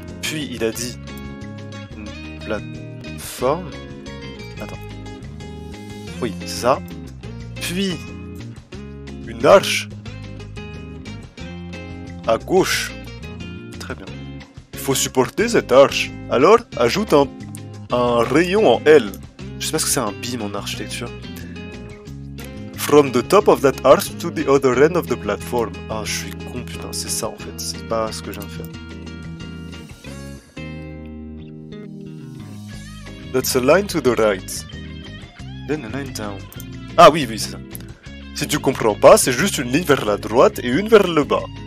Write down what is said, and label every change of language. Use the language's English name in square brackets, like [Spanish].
[French] Puis il a dit une plateforme. Attends. Oui, c'est ça. Puis une arche à gauche. Très bien. Il faut supporter cette arche. Alors, ajoute un rayon en L. Je sais pas ce que c'est un beam en architecture. [English] From the top of that arch to the other end of the platform. [French] Ah, je suis con, putain, c'est ça en fait. C'est pas ce que je viens de faire. [English] That's a line to the right. Then a line down. [French] Ah oui, oui, c'est ça. Si tu comprends pas, c'est juste une ligne vers la droite et une vers le bas.